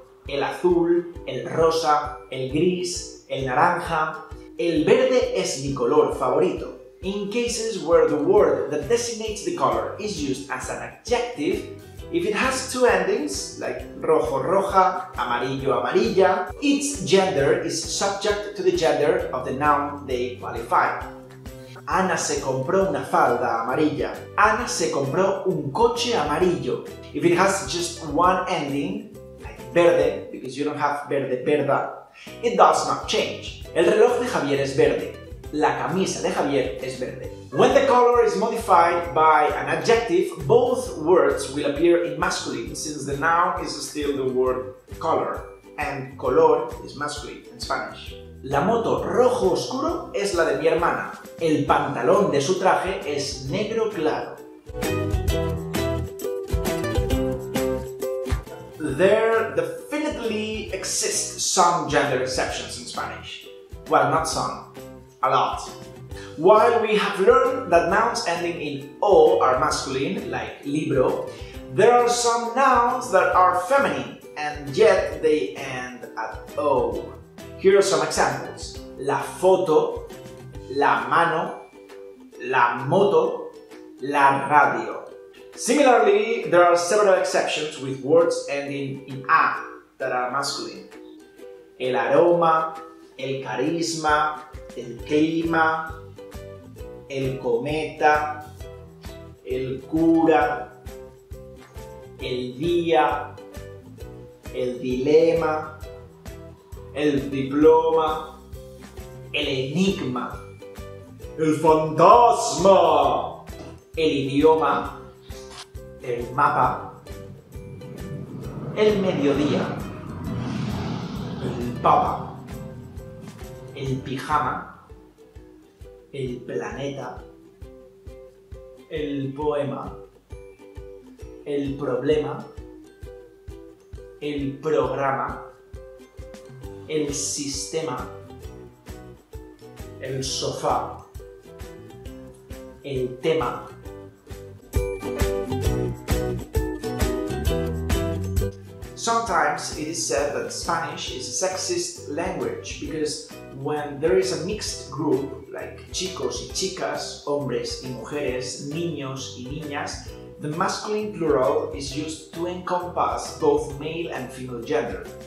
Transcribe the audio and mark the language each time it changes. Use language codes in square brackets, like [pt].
[es] El azul, el rosa, el gris, el naranja. El verde es mi color favorito. [en] In cases where the word that designates the color is used as an adjective, if it has two endings, like rojo, roja, amarillo, amarilla, its gender is subject to the gender of the noun they qualify. [es] Ana se compró una falda amarilla. Ana se compró un coche amarillo. [en] If it has just one ending, verde, because you don't have verde, verda, it does not change. [es] El reloj de Javier es verde. La camisa de Javier es verde. [en] When the color is modified by an adjective, both words will appear in masculine, since the noun is still the word color, and color is masculine in Spanish. [es] La moto rojo oscuro es la de mi hermana. El pantalón de su traje es negro claro. [en] There definitely exist some gender exceptions in Spanish. Well, not some, a lot. While we have learned that nouns ending in O are masculine, like libro, there are some nouns that are feminine and yet they end at O. Here are some examples. [es] La foto, la mano, la moto, la radio. [en] Similarly, there are several exceptions with words ending in A that are masculine. [es] El aroma, el carisma, el clima, el cometa, el cura, el día, el dilema, el diploma, el enigma, el fantasma, el idioma, el mapa, el mediodía, el papa, el pijama, el planeta, el poema, el problema, el programa, el sistema, el sofá, el tema. [en] Sometimes it is said that Spanish is a sexist language because when there is a mixed group, like [es] chicos y chicas, hombres y mujeres, niños y niñas, [en] the masculine plural is used to encompass both male and female gender.